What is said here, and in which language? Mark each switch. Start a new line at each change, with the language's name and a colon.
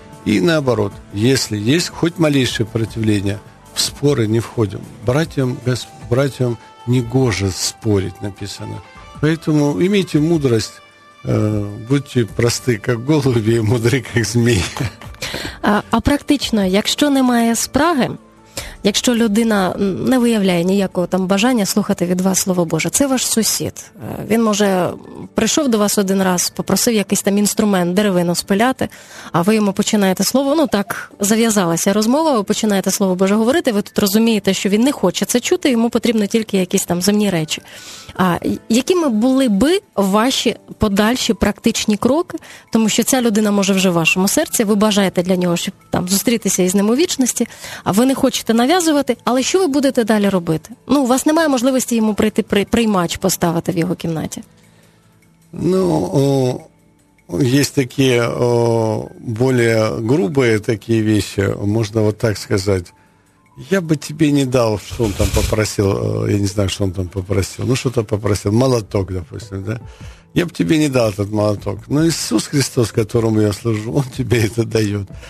Russian: И наоборот, если есть хоть малейшее противление, в споры не входим. Братьям негоже спорить, написано. Поэтому имейте мудрость, будьте просты, как голуби, и мудры, как змеи.
Ukrainian: А практично, якщо немає спраги, якщо людина не виявляє ніякого там бажання слухати від вас Слово Боже, це ваш сусід. Він, може, прийшов до вас один раз, попросив якийсь там інструмент, деревину спиляти, а ви йому починаєте слово, ну так, зав'язалася розмова, ви починаєте Слово Боже говорити, ви тут розумієте, що він не хоче це чути, йому потрібно тільки якісь там земні речі. А якими були би ваші подальші практичні кроки, тому що ця людина, може, вже в вашому серці, ви бажаєте для нього, щоб там зустрітися із ним у вічності, а ви не хочете нав'язувати, але що ви будете далі робити? Ну, у вас немає можливості йому прийти приймач поставити в його кімнаті. Ну, є такі більш грубі такі речі, можна
Russian: вот так
Ukrainian: сказати.
Russian: Я бы тебе не дал, что он там попросил, я не знаю, что он там попросил, ну что-то попросил, молоток, допустим, да? Я бы тебе не дал этот молоток. Но Иисус Христос, которому я служу, Он тебе это дает.